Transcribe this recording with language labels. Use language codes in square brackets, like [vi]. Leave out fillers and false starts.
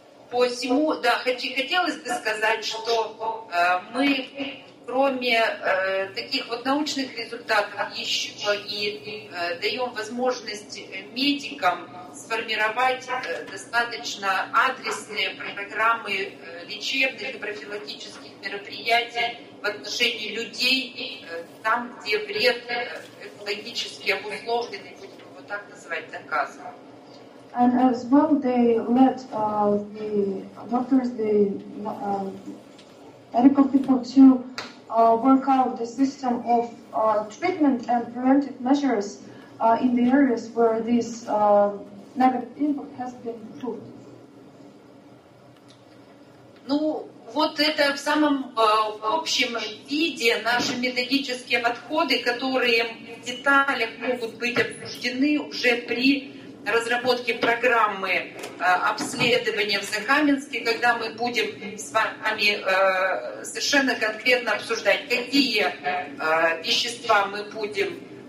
[ru] Посему, да, хотелось бы сказать, что мы, кроме таких вот научных результатов, еще и даем возможность медикам сформировать достаточно адресные программы лечебных и профилактических мероприятий в отношении людей, там, где вред экологически обусловленный, будем его так называть, доказан. [en] And as well, they let the doctors, the medical people to work out the system of treatment and preventive measures in the areas where this negative impact has been proved. [ru] Ну, вот это в самом общем виде наши методические подходы, которые в деталях могут быть обсуждены уже при разработки программы обследования в Закаменске, когда мы будем с вами совершенно конкретно обсуждать, какие вещества мы будем